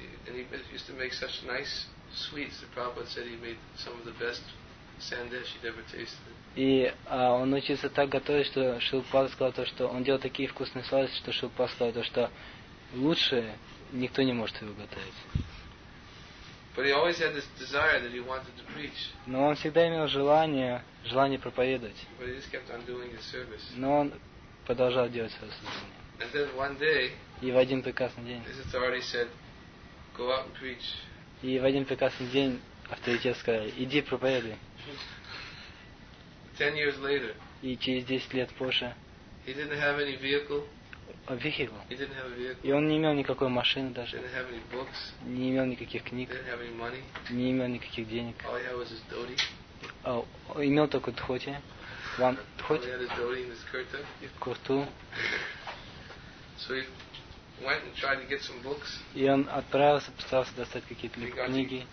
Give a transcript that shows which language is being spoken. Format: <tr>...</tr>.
<en>And he used to make such nice sweets. The Prabhupada said he made some of the best sandesh he'd ever tasted.</en> <ru>И он учился так готовить, что Шрила Прабхупада сказал то, что он делал такие вкусные сладости, что Шрила Прабхупада сказал то, что лучше никто не может его готовить.</ru> <en>But he always had this desire that he wanted to preach.</en> <ru>Но он всегда имел желание проповедовать.</ru> <en>But he just kept on doing his service.</en> <ru>Но он продолжал делать свое служение.</ru> <en>And then one day,</en> <ru>и в один прекрасный день,</ru> <en>his authority said, "Go out and preach."</en> <ru>И в один прекрасный день авторитет сказал: "Иди проповедуй."</ru> <en>10 years later,</en> <ru>и через 10 лет позже,</ru> <en>he didn't have any vehicle. A vehicle. He didn't have a vehicle.</en> <ru>И он не имел никакой машины даже.</ru> <en>Didn't have any books.</en> <ru>Не имел никаких книг.</ru> <en>Didn't have any money.</en> <ru>Не имел никаких денег.</ru> <en>All he had was his dhoti.</en> <ru>Имел только дхоти.</ru> <en>All he had his dhoti and his kurta.</en> <ru>И курту.</ru> <en>So he went and tried to get some books.</en> <ru>И он отправился, пытался достать какие-то книги.</ru>